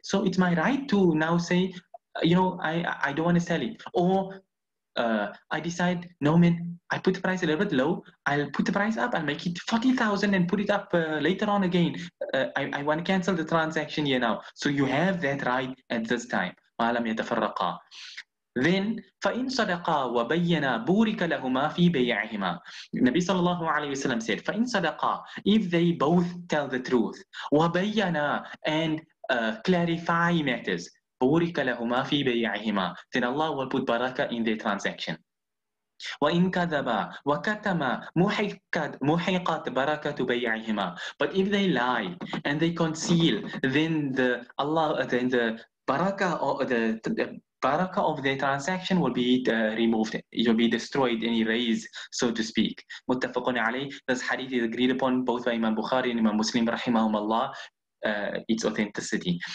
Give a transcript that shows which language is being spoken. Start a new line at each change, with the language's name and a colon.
English: So it's my right to now say, you know, I don't want to sell it. Or I decide, no, man, I put the price a little bit low. I'll put the price up. I'll make it 40,000 and put it up later on again. I want to cancel the transaction here now. So you have that right at this time.
Arabic: ما لم يتفرقا. Then فإن صدقا وبينا بورك لهما في بيعهما. النبي صلى الله عليه وسلم
English: said
Arabic: فإن صدقا,
English: if they both tell the truth,
Arabic: وبينا
English: and clarify matters,
Arabic: بورك لهما في بيعهما,
English: then Allah will put baraka in their transaction.
Arabic: وإن كذبا وكتما محقت بركة بيعهما.
English: But if they lie and they conceal, then the barakah or the barakah of their transaction will be removed. It will be destroyed and erased, so to speak. Muttafaqun alayh. This hadith is agreed upon both by Imam Bukhari and Imam Muslim, rahimahum Allah, its authenticity.